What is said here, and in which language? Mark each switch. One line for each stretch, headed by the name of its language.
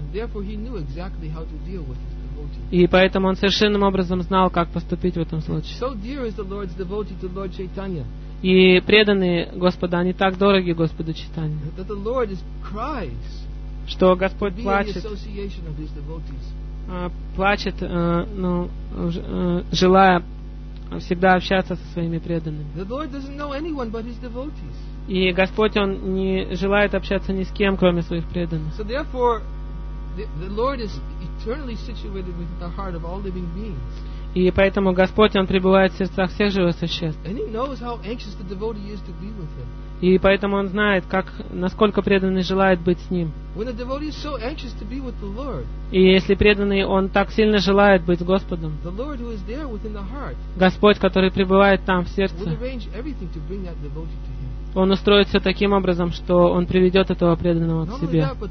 English: therefore he knew exactly how to deal with his devotee.
Russian: И поэтому он совершенным образом знал, как поступить в этом случае.
English: So dear is the Lord's devotee to Lord Chaitanya.
Russian: И преданные Господа, они так дороги Господу Чайтанье.
English: That the Lord is cries.
Russian: Что Господь плачет.
English: To be in the association of his devotees.
Russian: Плачет, ну, желая всегда общаться со своими преданными.
English: The Lord doesn't know anyone but his devotees.
Russian: И Господь, Он не желает общаться ни с кем, кроме Своих преданных.
English: So therefore, the Lord is eternally situated within the heart of all living beings.
Russian: И поэтому Господь, Он пребывает в сердцах всех живых существ.
English: And he knows how anxious the devotee is to be with him.
Russian: И поэтому Он знает, как, насколько преданный желает быть с Ним.
English: When a devotee is so anxious to be with the Lord,
Russian: и если преданный, он так сильно желает быть с Господом,
English: the Lord who is there within the heart,
Russian: Господь, который пребывает там в сердце,
English: would arrange everything to bring that devotee to him.
Russian: Он устроит все таким образом, что Он приведет этого преданного к себе.